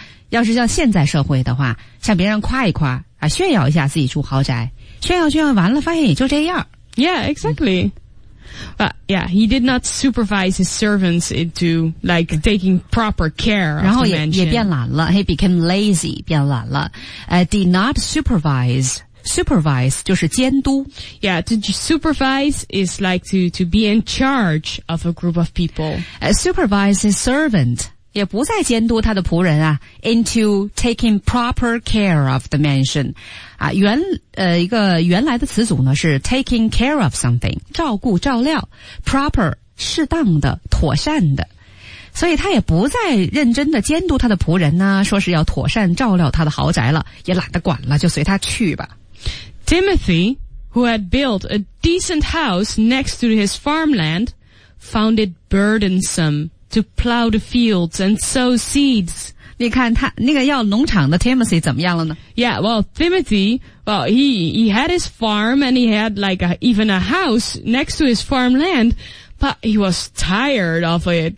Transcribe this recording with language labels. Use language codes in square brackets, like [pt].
[zh] 要是像现在社会的话向别人夸一夸啊炫耀一下自己住豪宅炫耀炫耀完了发现也就这样。 [en] Yeah, exactly. But yeah, he did not supervise his servants into like taking proper care of the mansion. [zh] 然后也变懒了 [en] he became lazy, [zh] 变懒了、 [en] did not supervise [zh] 就是监督 [en] Yeah, to supervise is like to be in charge of a group of people.、 Supervise his servant, [zh] 也不再监督他的仆人啊 [en] into taking proper care of the mansion. [zh] 一个原来的词组呢是 [en] taking care of something, [zh] 照顾照料 proper, 适当的妥善的。所以他也不再认真的监督他的仆人呢说是要妥善照料他的豪宅了也懒得管了就随他去吧。 [en] Timothy, who had built a decent house next to his farmland, found it burdensome to plow the fields and sow seeds. [zh] 你看他那个药农场的 Timothy 怎么样了呢 [en] Yeah, well, Timothy, well, he had his farm and he had like even a house next to his farmland, but he was tired of it.